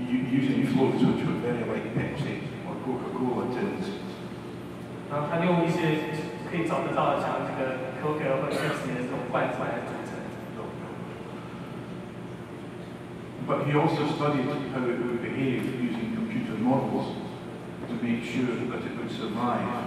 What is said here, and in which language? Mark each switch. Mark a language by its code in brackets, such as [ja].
[en] Using float switch with very light Pepsi or Coca-Cola tins. [zh] 然后他用一些可以找得到的像这个可口可乐或者瑞士的这种罐子来组成。 [en] But he also studied how it would behave using computer models to make sure that it would survive.